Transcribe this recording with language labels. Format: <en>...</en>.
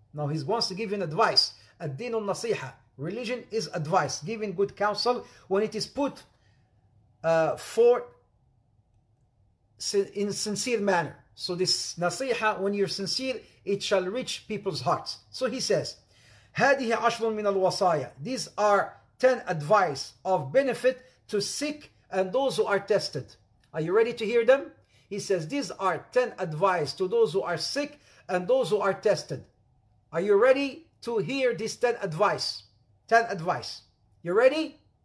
<en>Now he wants to give you an advice. Ad-din al-nasiha. Religion is advice, giving good counsel when it is put forth in a sincere manner. So this nasiha, when you're sincere, it shall reach people's hearts. So he says,</en> <ar>هَذِهِ عَشْرٌ مِنَ الْوَصَايَا.</ar> <en>These are 10 advice of benefit to sick and those who are tested. Are you ready to hear them? He says, these are 10 advice to those who are sick and those who are tested. Are you ready to hear these 10 advice? 10 advice. You ready?</en>